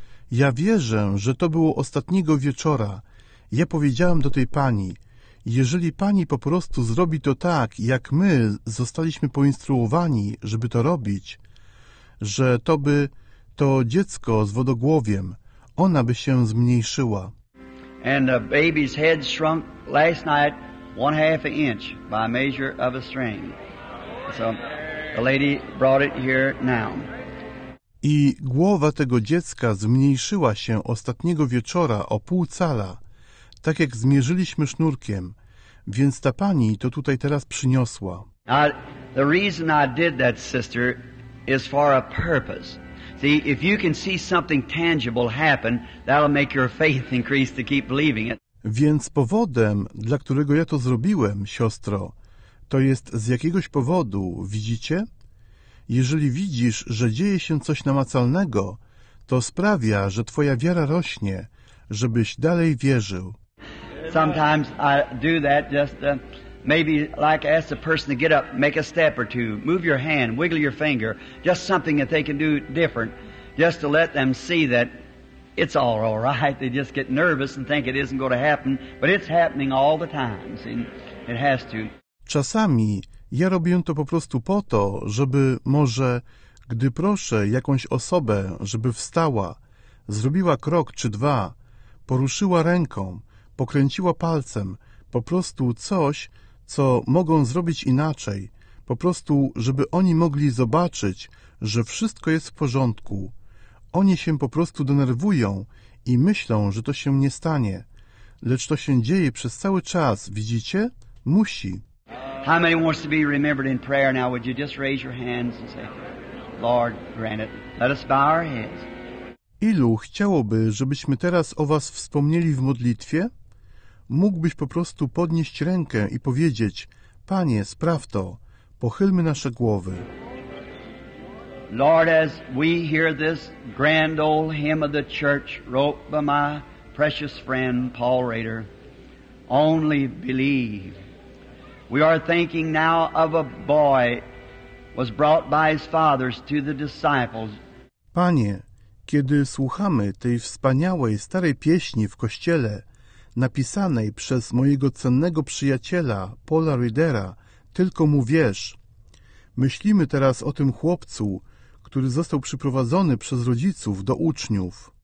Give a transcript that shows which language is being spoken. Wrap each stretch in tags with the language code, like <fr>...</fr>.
<pl>Ja wierzę, że to było ostatniego wieczora. Ja powiedziałem do tej pani, jeżeli pani po prostu zrobi to tak, jak my zostaliśmy poinstruowani, żeby to robić, że to by to dziecko z wodogłowiem, ona by się zmniejszyła.</pl> <en>And the baby's head shrunk last night 1/2 inch by measure of a string. So the lady brought it here now.</en> <pl>I głowa tego dziecka zmniejszyła się ostatniego wieczora o 0,5 cala, tak jak zmierzyliśmy sznurkiem, więc ta pani to tutaj teraz przyniosła.</pl> <en>The reason I did that, sister, is for a purpose. See, if you can see something tangible happen, that'll make your faith increase to keep believing it.</en> <pl>Więc powodem, dla którego ja to zrobiłem, siostro, to jest z jakiegoś powodu, widzicie? Jeżeli widzisz, że dzieje się coś namacalnego, to sprawia, że twoja wiara rośnie, żebyś dalej wierzył.</pl> <en>Sometimes I do that just maybe like ask a person to get up, make a step or two, move your hand, wiggle your finger, just something that they can do different, just to let them see that it's all right. They just get nervous and think it isn't going to happen, but it's happening all the time. See, it has to.</en> <pl>Czasami ja robię to po prostu po to, żeby może, gdy proszę jakąś osobę, żeby wstała, zrobiła krok czy dwa, poruszyła ręką, pokręciła palcem, po prostu coś, co mogą zrobić inaczej, po prostu, żeby oni mogli zobaczyć, że wszystko jest w porządku. Oni się po prostu denerwują i myślą, że to się nie stanie. Lecz to się dzieje przez cały czas, widzicie? Musi.</pl> <en>How many wants to be remembered in prayer now? Would you just raise your hands and say, Lord, grant it. Let us bow our heads.</en> <pl>Ilu chciałoby, żebyśmy teraz o was wspomnieli w modlitwie? Mógłbyś po prostu podnieść rękę i powiedzieć, Panie, spraw to, pochylmy nasze głowy.</pl> <en>Lord, as we hear this grand old hymn of the church wrote by my precious friend Paul Rader, only believe. We are thinking now of a boy was brought by his fathers to the disciples.</en> <pl>Panie, kiedy słuchamy tej wspaniałej starej pieśni w kościele, napisanej przez mojego cennego przyjaciela Paula Ridera, tylko mu wierz. Myślimy teraz o tym chłopcu, który został przyprowadzony przez rodziców do uczniów.</pl>